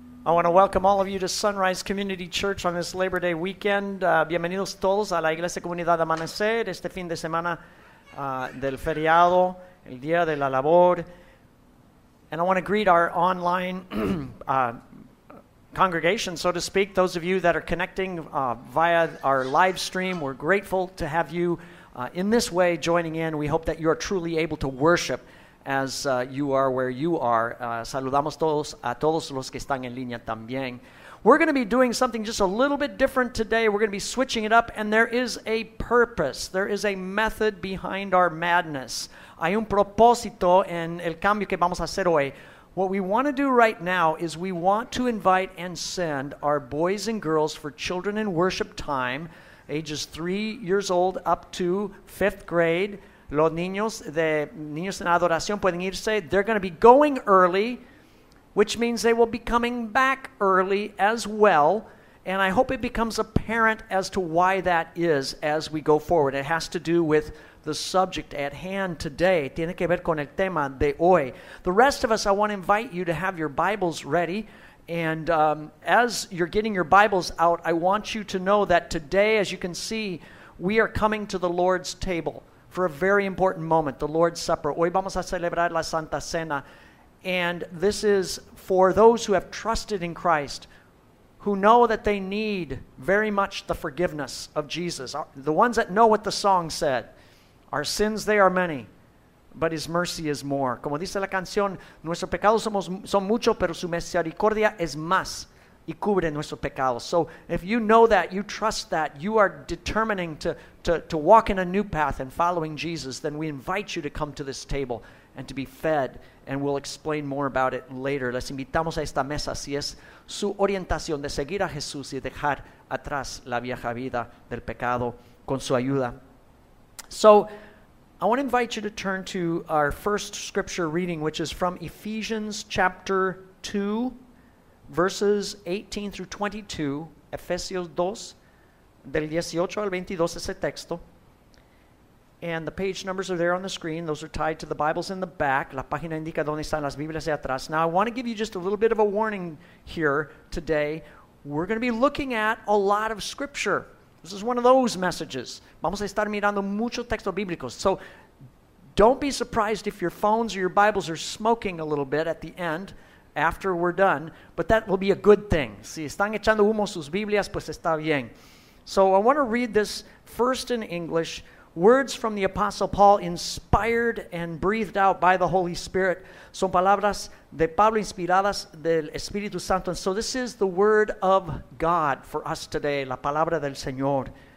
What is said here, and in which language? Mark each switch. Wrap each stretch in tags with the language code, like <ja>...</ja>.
<en>I want to welcome all of you to Sunrise Community Church on this Labor Day weekend.</en> <es>Bienvenidos todos a la Iglesia Comunidad Amanecer este fin de semana del feriado, el Día de la Labor.</es> <en>And I want to greet our online congregation, so to speak, those of you that are connecting via our live stream. We're grateful to have you in this way joining in. We hope that you are truly able to worship as you are where you are.</en> <es>Saludamos todos a todos los que están en línea también.</es> <en>We're going to be doing something just a little bit different today. We're going to be switching it up, and there is a purpose. There is a method behind our madness.</en> <es>Hay un propósito en el cambio que vamos a hacer hoy.</es> <en>What we want to do right now is we want to invite and send our boys and girls for children in worship time, ages 3 years old up to fifth grade.</en> <es>Los niños de niños en adoración pueden irse.</es> <en>They're going to be going early, which means they will be coming back early as well. And I hope it becomes apparent as to why that is as we go forward. It has to do with the subject at hand today.</en> <es>Tiene que ver con el tema de hoy.</es> <en>The rest of us, I want to invite you to have your Bibles ready. And as you're getting your Bibles out, I want you to know that today, as you can see, we are coming to the Lord's table for a very important moment, the Lord's Supper.</en> <es>Hoy vamos a celebrar la Santa Cena.</es> <en>And this is for those who have trusted in Christ, who know that they need very much the forgiveness of Jesus. The ones that know what the song said, our sins, they are many, but his mercy is more.</en> <es>Como dice la canción, nuestros pecados son muchos, pero su misericordia es más y cubre nuestros pecados.</es> <en>So if you know that, you trust that, you are determining to walk in a new path and following Jesus, then we invite you to come to this table and to be fed. And we'll explain more about it later.</en> <es>Les invitamos a esta mesa si es su orientación de seguir a Jesús y dejar atrás la vieja vida del pecado con su ayuda.</es> <en>So, I want to invite you to turn to our first scripture reading, which is from Ephesians chapter 2, verses 18 through 22.</en> <es>Efesios 2, del 18 al 22, ese texto.</es> <en>And the page numbers are there on the screen. Those are tied to the Bibles in the back.</en> <es>La página indica dónde están las Biblias de atrás.</es> <en>Now, I want to give you just a little bit of a warning here today. We're going to be looking at a lot of Scripture. This is one of those messages.</en> <es>Vamos a estar mirando mucho texto bíblico.</es> <en>So, don't be surprised if your phones or your Bibles are smoking a little bit at the end, after we're done. But that will be a good thing.</en> <es>Si están echando humo sus Biblias, pues está bien.</es> <en>So, I want to read this first in English. Words from the Apostle Paul, inspired and breathed out by the Holy Spirit.</en> <es>Son palabras de Pablo inspiradas del Espíritu Santo.</es> <en>And so this is the word of God for us today,</en> <es>la palabra del Señor.</es>